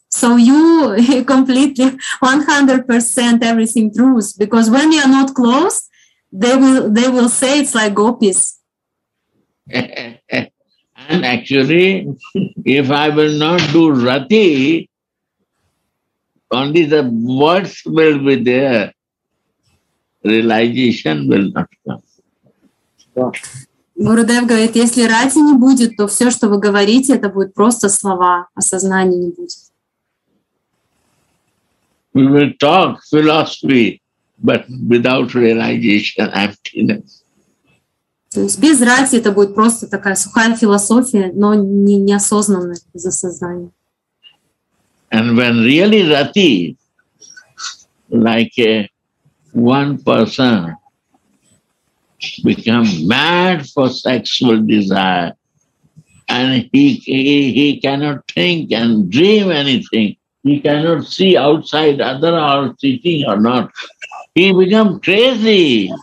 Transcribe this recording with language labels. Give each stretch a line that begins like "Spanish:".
English: So you completely 100% everything truth, because when you are not close, they will say it's like Gopis. And actually, if I will not do Rati, only the words will be there. Realization will not come.
Russian: Gurudev говорит, если Рати не будет, то все, что вы говорите, это будет просто слова, осознания не будет.
English: We will talk philosophy, but without realization, emptiness.
Russian: То есть без рати это будет просто такая сухая философия, но неосознанная из-за сознания.
English: And when really rati, like one person become mad for sexual desire, and he cannot think and dream anything, he cannot see outside other are sitting or not, he become crazy.